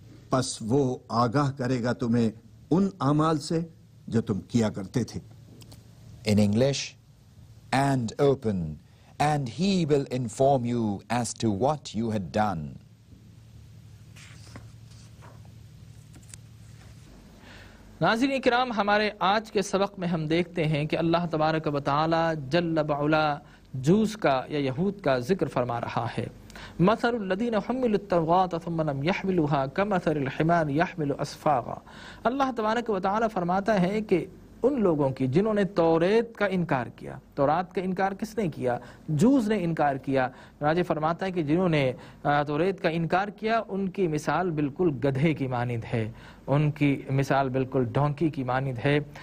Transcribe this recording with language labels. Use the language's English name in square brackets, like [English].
[Urdu] پس وہ آگاہ کرے گا تمہیں ان اعمال سے جو تم کیا کرتے تھے. [English] In English, and open, and he will inform you as to what you had done. [Urdu] ناظرین اکرام, ہمارے آج کے سبق میں ہم دیکھتے ہیں کہ اللہ تبارک و تعالی جل وعلا جوز کا یا یہود کا ذکر فرما رہا ہے. [Arabic] مثل الذين حملوا التوراة ثم لم يحملوها كمثل الحمار يحمل أسفارا. [Urdu] اللہ تبارک و تعالی فرماتا ہے کہ ان لوگوں کی جنہوں نے توریت کا انکار کیا, تورات کا انکار کس نے کیا؟ جوز نے انکار کیا. راجع فرماتا ہے کہ جنہوں نے توریت کا انکار کیا ان کی مثال بالکل گدھے کی مانند ہے, ان کی مثال بالکل ڈونکی کی مانند ہے.